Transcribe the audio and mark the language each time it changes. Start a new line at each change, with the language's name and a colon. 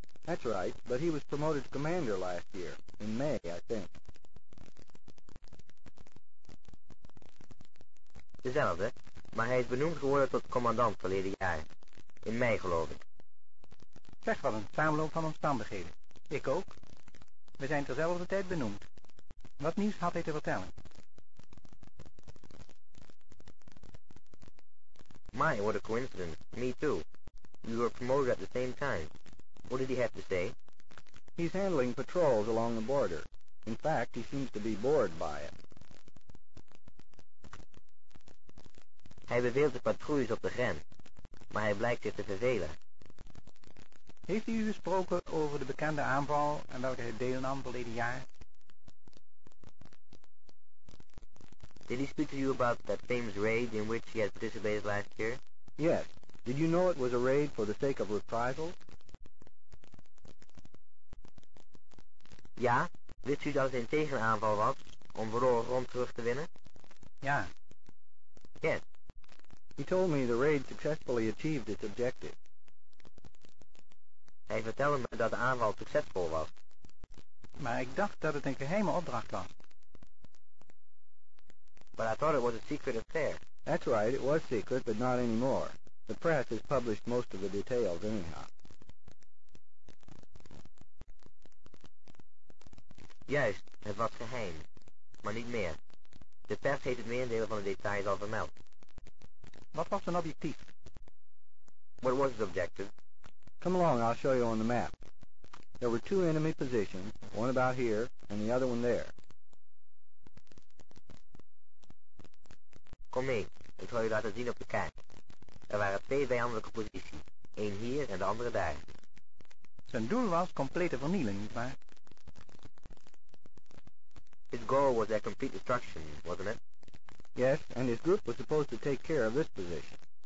English: That's right, but he was promoted to commander last year, in May, I think.
Dutch: Dezelfde, maar hij is benoemd geworden tot commandant verleden jaar. In mei, geloof ik. Zeg, wat een samenloop van omstandigheden. Ik ook. We zijn terzelfde tijd benoemd. Wat nieuws had hij te vertellen?
English: My, what a coincidence. Me too. We were promoted at the same time. What did he have to say? He's handling patrols along the border. In fact, he seems to be bored by it.
Dutch: Hij beveelt de patrouilles op de grens, maar hij blijkt zich te vervelen. Heeft u gesproken over de bekende aanval en welke hij deelnam verleden jaar?
English: Did he speak to you about that famous raid in which he had participated last year? Yes. Did you know it was a raid for the sake of reprisals?
Dutch: Ja, wist u dat het een tegenaanval was om verloren grond terug te winnen? Ja.
English: Yes. He told me the raid successfully achieved its objective.
Dutch: Hij vertelde me dat de aanval succesvol was. Maar ik dacht dat het een geheime opdracht was.
English: But I thought it was a secret affair. That's right, it was secret, but not anymore. The press has published most of the details anyhow.
Dutch: Juist, het was geheim. Maar niet meer. De pers heeft het merendeel van de details al vermeld. Wat was zijn objectief?
English: What was his objective? Come along, I'll show you on the map. There were two enemy positions, one about here and the other one there.
Dutch: Kom mee, ik zal je laten zien op de kaart. Er waren twee vijandelijke posities, één hier en de andere daar. Zijn doel was complete vernieling, nietwaar?
English: His goal was their complete destruction, wasn't it? Yes, and his group was supposed to take care of this position.